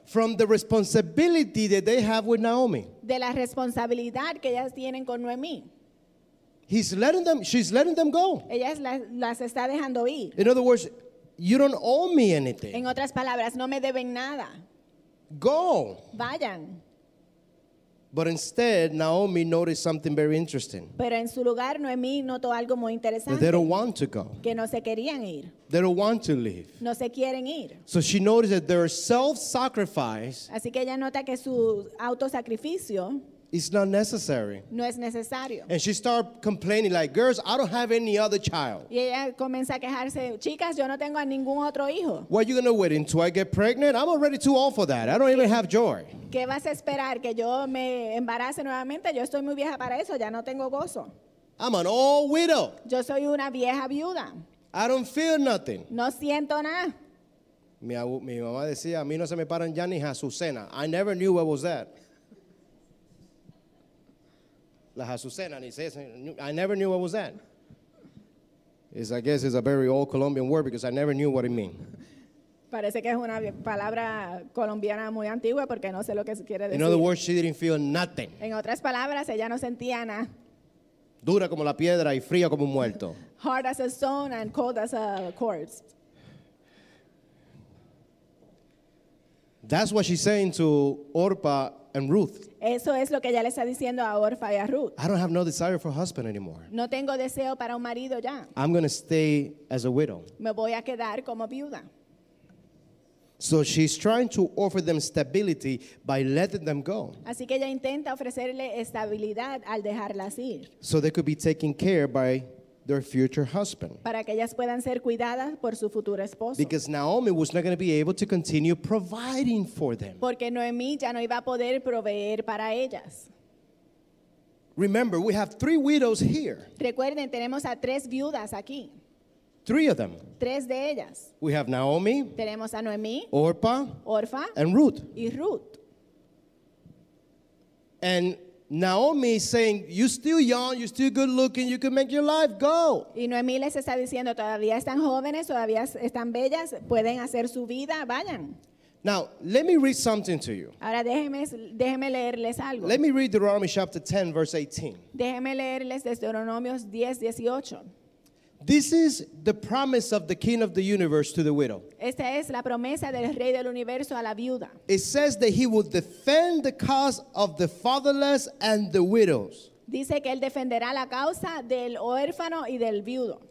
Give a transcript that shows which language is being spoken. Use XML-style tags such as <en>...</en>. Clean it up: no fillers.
<en>from the responsibility that they have with Naomi.</en> <es>De la responsabilidad que ellas tienen con Noemí.</es> <en>He's letting them, she's letting them go.</en> <es>Ella las está dejando ir.</es> <en>In other words, you don't owe me anything.</en> <es>En otras palabras, no me deben nada.</es> <en>Go.</en> <es>Vayan.</es> <en>But instead, Naomi noticed something very interesting.</en> <es>Pero en su lugar, Noemi notó algo muy interesante.</es> <en>They don't want to go.</en> <es>Que no se querían ir.</es> <en>They don't want to leave.</en> <es>No se quieren ir.</es> <en>So she noticed that their self-sacrifice,</en> <es>así que ella nota que su autosacrificio,</es> <en>is not necessary.</en> <es>No es necesario.</es> <en>And she started complaining, like, "Girls, I don't have any other child."</en> <es>Y ella comienza a quejarse, chicas, yo no tengo a ningún otro hijo.</es> <en>What are you gonna wait until I get pregnant? I'm already too old for that. I don't even have joy.</en> <es>¿Qué vas a esperar que yo me embarace nuevamente? Yo estoy muy vieja para eso. Ya no tengo gozo.</es> <en>I'm an old widow.</en> <es>Yo soy una vieja viuda.</es> <en>I don't feel nothing.</en> <es>No siento nada. Mi mamá decía, a mí no se me paran ya ni azucena.</es> <en>I never knew what was that. I never knew what was that. It's, I guess it's a very old Colombian word because I never knew what it meant.</en> <es>Parece que es una palabra colombiana muy antigua porque no sé lo que quiere decir.</es> <en>In other words, she didn't feel nothing.</en> <es>En otras palabras, ella no sentía nada. Dura como la piedra y fría como un muerto.</es> <en>Hard as a stone and cold as a corpse. That's what she's saying to Orpa and Ruth.</en> <es>Eso es lo que ella le está diciendo a Orpa y a Ruth.</es> <en>I don't have no desire for a husband anymore.</en> <es>No tengo deseo para un marido ya.</es> <en>I'm going to stay as a widow.</en> <es>Me voy a quedar como viuda.</es> <en>So she's trying to offer them stability by letting them go.</en> <es>Así que ella intenta ofrecerle estabilidad al dejarlas ir.</es> <en>So they could be taken care by their future husband.</en> <es>Para que ellas puedan ser cuidadas por su futuro esposo.</es> <en>Because Naomi was not going to be able to continue providing for them.</en> <es>Porque Noemí ya no iba a poder proveer para ellas.</es> <en>Remember, we have three widows here.</en> <es>Recuerden, tenemos a tres viudas aquí.</es> <en>Three of them.</en> <es>Tres de ellas.</es> <en>We have Naomi.</en> <es>Tenemos a Noemí.</es> <en>Orpa. And Ruth.</en> <es>Y Ruth.</es> <en>And Naomi is saying, "You're still young. You're still good looking. You can make your life go."</en> <es>Y Noemí les está diciendo, todavía están jóvenes, todavía están bellas, pueden hacer su vida, vayan.</es> <en>Now let me read something to you.</en> <es>Ahora déjeme leerles algo.</es> <en>Let me read Deuteronomy chapter 10, verse 18.</en> <es>Déjeme leerles Deuteronomio 10:18.</es> <en>This is the promise of the King of the Universe to the widow.</en> <es>Esta es la promesa del Rey del Universo a la viuda.</es> <en>It says that he will defend the cause of the fatherless and the widows.</en> <es>Dice que él defenderá la causa del huérfano y del viudo.</es>